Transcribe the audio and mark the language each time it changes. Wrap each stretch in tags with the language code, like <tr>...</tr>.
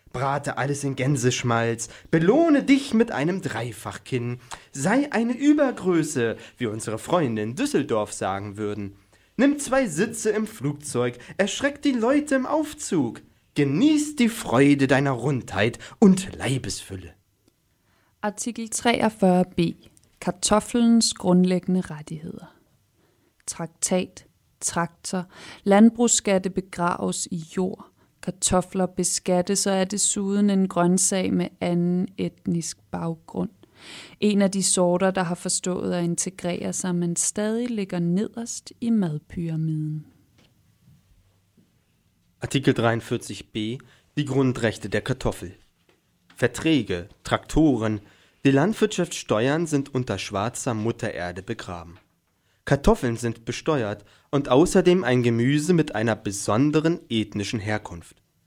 <de>Brate alles in Gänseschmalz. Belohne dich mit einem Dreifachkinn. Sei eine Übergröße, wie unsere Freunde in Düsseldorf sagen würden. Nimm zwei Sitze im Flugzeug, erschreck die Leute im Aufzug. Genieß die Freude deiner Rundheit und Leibesfülle.</de> <da>Artikel 43b. Kartoffelns grundlæggende rettigheder. Traktat, traktor, landbrugsskatte begraves i jord. Kartofler beskattes og er desuden en grøntsag med anden etnisk baggrund. En af de sorter, der har forstået at integrere sig, men stadig ligger nederst i madpyramiden.</da> <de>Artikel 43b. Die Grundrechte der Kartoffel. Verträge, Traktoren, die Landwirtschaftssteuern sind unter schwarzer Muttererde begraben. Kartoffeln sind besteuert und außerdem ein Gemüse mit einer besonderen ethnischen Herkunft.</de>